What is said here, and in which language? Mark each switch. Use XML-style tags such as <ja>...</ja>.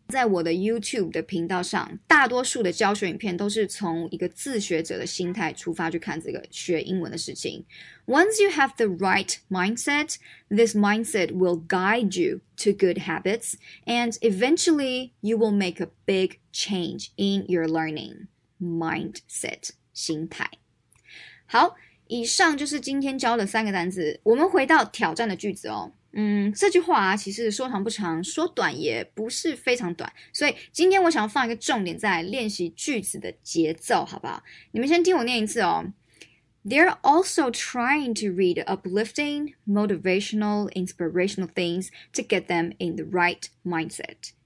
<zh>在我的 YouTube 的频道上，大多数的教学影片都是从一个自学者的心态出发去看这个学英文的事情。</zh> <en>Once you have the right mindset, this mindset will guide you to good habits, and eventually you will make a big change in your learning.</en> <zh>Mindset, 心态。好，以上就是今天教的三个单字。我们回到挑战的句子哦。这句话啊，其实说长不长，说短也不是非常短，所以今天我想要放一个重点在练习句子的节奏，好不好？你们先听我念一次哦。</zh> <en>They're also trying to read uplifting, motivational, inspirational things to get them in the right mindset.</en>